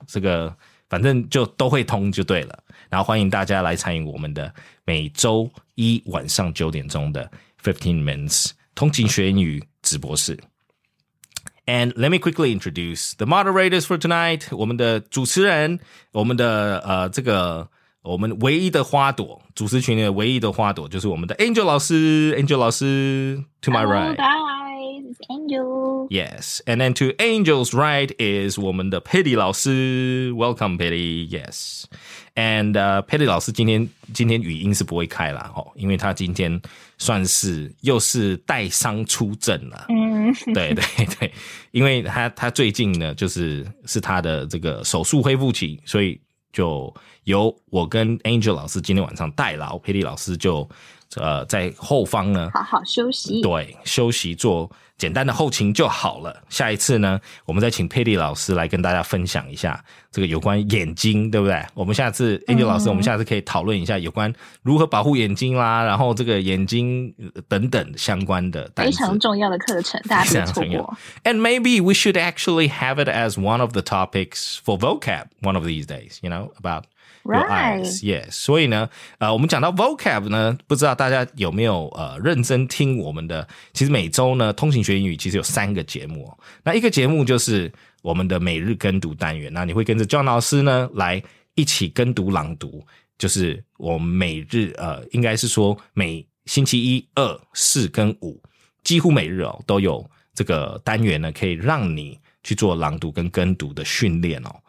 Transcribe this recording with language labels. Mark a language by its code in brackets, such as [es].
[zh] 这个反正就都会通就对了。然后欢迎大家来参与我们的每周一晚上九点钟的15 Minutes 通勤学英语直播室。 [en] And let me quickly introduce the moderators for tonight. [zh] 我们的主持人，我们的这个我们唯一的花朵，主持群里的唯一的花朵，就是我们的 Angel 老师。 [en] Angel 老师 ，to my Hello, right. Hello, guys. Angel. Yes. And then to Angel's right is [zh] 我们的 [en] Paddy 老师。Welcome, Paddy. Yes. [zh] And Paddy 老师今天语音是不会开啦，哦，因为他今天算是又是带伤出阵了。嗯，对对对，因为他最近呢，就是他的这个手术恢复期，所以就由我跟 Angel 老师今天晚上代劳 ，Paddy 老师就在后方呢好好休息，对，休息做简单的后勤就好了。下一次呢，我们再请 Paddy 老师来跟大家分享一下这个有关眼睛，对不对？我们下次 Angel 老师，我们下次可以讨论一下有关如何保护眼睛啦，然后这个眼睛等等相关的单词，非常重要的课程，大家别错过。 [en] And maybe we should actually have it as one of the topics for vocab one of these days, you know, about your eyes. Right. Yes. [zh] 所以呢，我们讲到 vocab 呢，不知道大家有没有认真听我们的？其实每周呢，通勤学英语其实有三个节目，哦。那一个节目就是我们的每日跟读单元，那你会跟着 John 老师呢来一起跟读朗读，就是我们每日应该是说每星期一、二、四跟五，几乎每日哦都有这个单元呢，可以让你去做朗读跟跟读的训练哦。